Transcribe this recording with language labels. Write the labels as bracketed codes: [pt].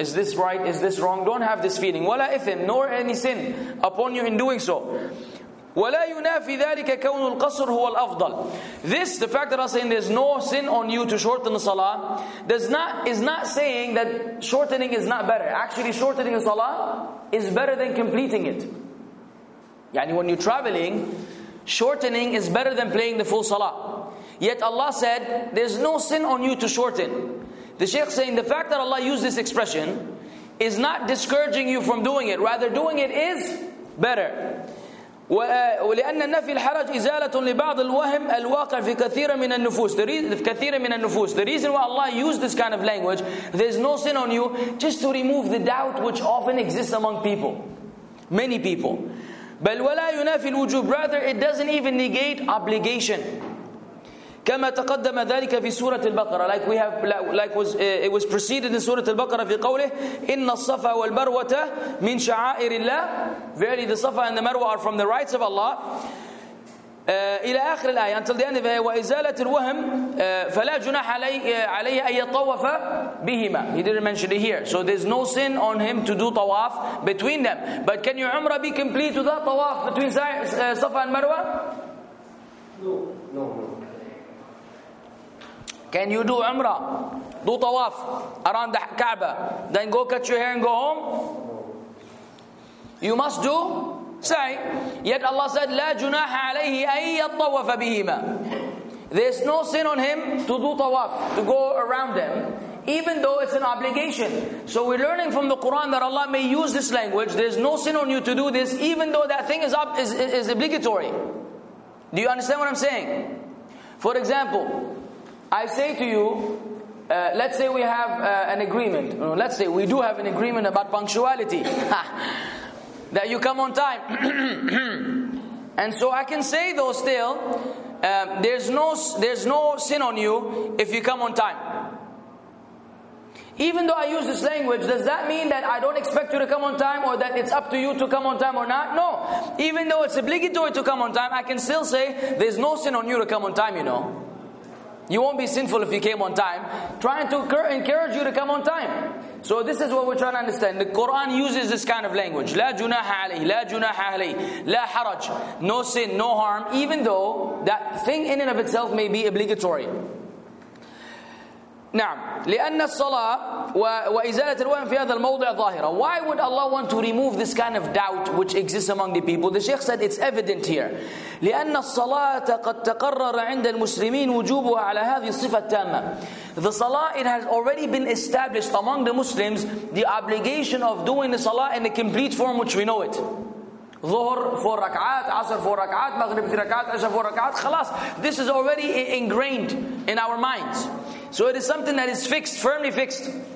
[en] Is this right? Is this wrong? Don't have this feeling. [ar] ولا إثم, [en] nor any sin upon you in doing so. [ar] ولا ينافي ذلك كون القصر هو الأفضل. [en] This, the fact that I'm saying there's no sin on you to shorten the salah, is not saying that shortening is not better. Actually, shortening the salah is better than completing it. يعني when you're traveling, shortening is better than playing the full salah. Yet Allah said, there's no sin on you to shorten. The Shaykh saying, the fact that Allah used this expression is not discouraging you from doing it. Rather, doing it is better. [ar] وَلِأَنَّ النَّفِي الْحَرَجِ إِزَالَةٌ لِبَعْضِ الْوَهِمِ الْوَاقِعِ فِي كَثِيرًا مِنَ النُّفُوسِ كَثِيرًا مِنَ النُّفُوسِ. [en] The reason why Allah used this kind of language, there's no sin on you, just to remove the doubt which often exists among people. Many people. [ar] بَلْ وَلَا يُنَافِي الْوُجُوبِ. [en] Rather, it doesn't even negate obligation. [ar] كما تقدم ذلك في سورة البقرة. [en] It was preceded in [ar] سورة البقرة في قوله إن الصفا والمروة من شعائر الله. [en] Verily the Safa and the Marwa are from the rights of Allah. [ar] إلى آخر الآية. [en] Until the end of it. [ar] وإزالة الوهم فلا جناح علي أن يطوف بهما. [en] He didn't mention it here. So there's no sin on him to do tawaf between them. But can your umrah be complete without tawaf between Safa and Marwa? No. Can you do umrah? Do tawaf around the Kaaba. Then go cut your hair and go home? You must do sa'i. Yet Allah said, [ar] لا جناح عليه أن يطوف بهما. [en] There's no sin on him to do tawaf, to go around them, even though it's an obligation. So we're learning from the Quran that Allah may use this language. There's no sin on you to do this, even though that thing is obligatory. Do you understand what I'm saying? For example, I say to you, let's say we have an agreement. Let's say we do have an agreement about punctuality. That you come on time. And so I can say though still, there's no sin on you if you come on time. Even though I use this language, does that mean that I don't expect you to come on time or that it's up to you to come on time or not? No. Even though it's obligatory to come on time, I can still say there's no sin on you to come on time, you know. You won't be sinful if you came on time. Trying to encourage you to come on time. So this is what we're trying to understand. The Quran uses this kind of language. [ar] لا جناح عليه, لا جناح عليه, لا حرج. [en] No sin, no harm. Even though that thing in and of itself may be obligatory. [ar] نعم. لأن الصلاة وإزالة الوهم في هذا الموضع ظاهرة. [en] Why would Allah want to remove this kind of doubt which exists among the people? The Shaykh said it's evident here. [ar] لأن الصلاة قد تقرر عند المسلمين وجوبها على هذه الصفة التامة. [en] The salah, it has already been established among the Muslims, the obligation of doing the salah in the complete form which we know it. Dhuhr 4 rak'at, Asr 4 rak'at, Maghrib 3 rak'at, Isha 4 rak'at. Khalas, this is already ingrained in our minds. So it is something that is fixed, firmly fixed.